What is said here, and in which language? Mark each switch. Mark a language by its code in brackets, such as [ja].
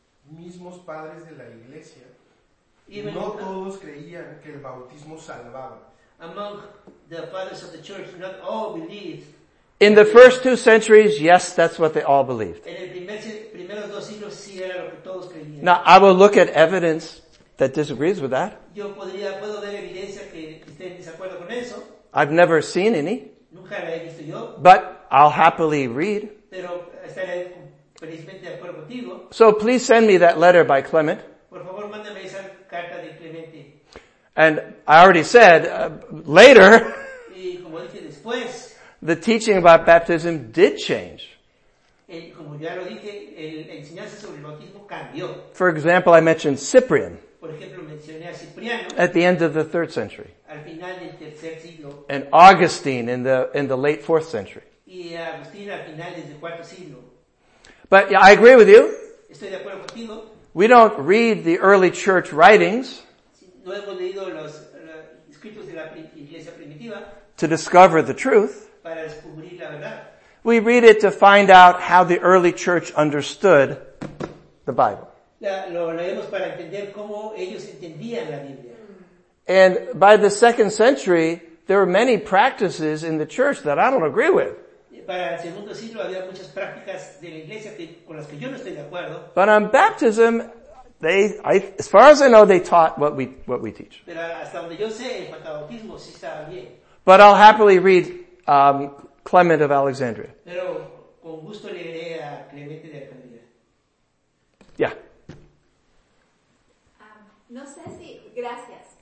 [es] Mismos padres de la iglesia, no todos creían que el bautismo salvaba. [en] Among the fathers of the church, not all believed. In the first two centuries, yes, that's what they all believed. [es] En el primer dos siglos, sí era lo que todos creían. [en] Now, I will look at evidence that disagrees with that. [es] Yo puedo ver evidencia que esté en desacuerdo con eso. [en] I've never seen any. [es] Nunca la he visto yo. [en] But I'll happily read. [es] Pero estaré felizmente de acuerdo contigo. [en] So please send me that letter by Clement. [es] Por favor, mándame esa carta de Clemente. [en] And I already said, later, [es] y como dije después, [en] the teaching about baptism did change. [es] Como ya lo dije, la enseñanza sobre el bautismo cambió. [en] For example, I mentioned Cyprian. [es] Por ejemplo, mencioné a Cipriano. [en] At the end of the 3rd century. [es] Al final del tercer siglo. [en] And Augustine in the late 4th century. [es] Y Agustín al final del cuarto siglo. [en] But yeah, I agree with you. [es] Estoy de acuerdo contigo. [en] We don't read the early church writings [es] no hemos leído los escritos de la iglesia primitiva [en] to discover the truth. [es] Para descubrir la verdad. [en] We read it to find out how the early church understood the Bible. [es] Lo leemos para entender cómo ellos entendían la Biblia. [en] And by the second century, there were many practices in the church that I don't agree with. [es] Para el segundo siglo había muchas prácticas de la iglesia con las que yo no estoy de acuerdo. [en] But on baptism, as far as I know, they taught what we teach. [es] Pero hasta donde yo sé, en cuanto a bautismo, sí estaba bien. [en] But I'll happily read Clement of Alexandria. [es] Pero con gusto leeré a Clemente de Alejandría. [en] Yeah. [es] No sé si, gracias.